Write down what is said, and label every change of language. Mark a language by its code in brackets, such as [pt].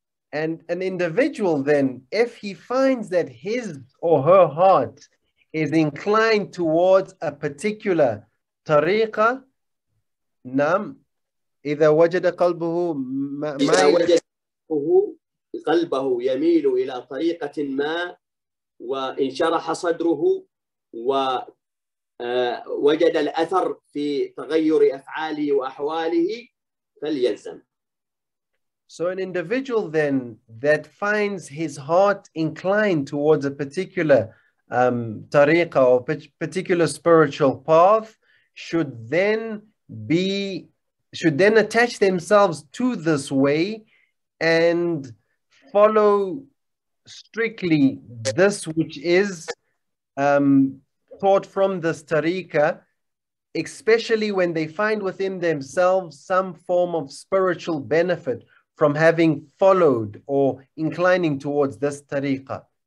[en] And an individual then, if he finds that his or her heart is inclined towards a particular tariqa, nam, [ar] إذا وجد قلبه ما إذا وجد قلبه يميل إلى طريقة ما وانشرح صدره ووجد الأثر في تغير أفعاله وأحواله فليلزم. [en] So an individual then that finds his heart inclined towards a particular tariqa or particular spiritual path should then attach themselves to this way and follow strictly this which is taught from this tariqa, especially when they find within themselves some form of spiritual benefit from having followed or inclining towards this tariqa.